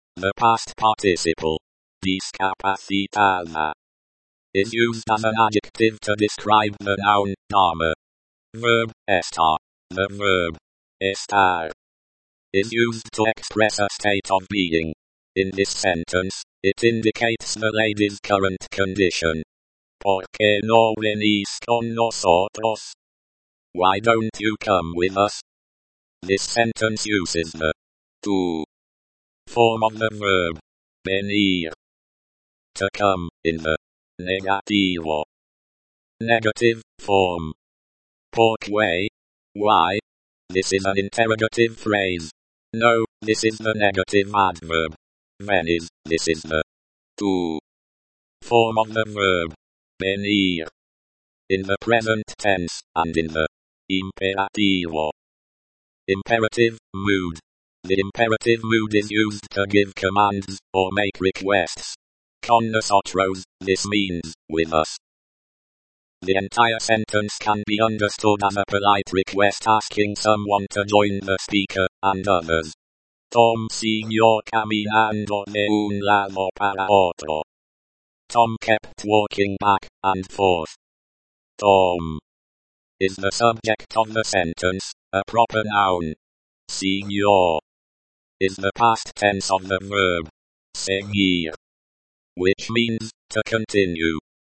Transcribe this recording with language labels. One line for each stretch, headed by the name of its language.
English: The past participle, discapacitada, is used as an adjective to describe the noun, dama. Verb, estar. The verb, estar, is used to express a state of being. In this sentence, it indicates the lady's current condition.
Spanish: ¿Por qué no venís con nosotros?
English: Why don't you come with us? This sentence uses the to form of the verb venir, to come, in the negativo, negative form. ¿Por qué? Why? This is an interrogative phrase. No, this is the negative adverb. Venis, this is the to form of the verb venir, in the present tense, and in the imperativo, imperative mood. The imperative mood is used to give commands or make requests. Con nosotros, this means with us. The entire sentence can be understood as a polite request asking someone to join the speaker and others.
Spanish: Tom, señor, caminando de un lado para otro.
English: Tom kept walking back and forth. Tom is the subject of the sentence, a proper noun. Señor is the past tense of the verb seguir, which means to continue.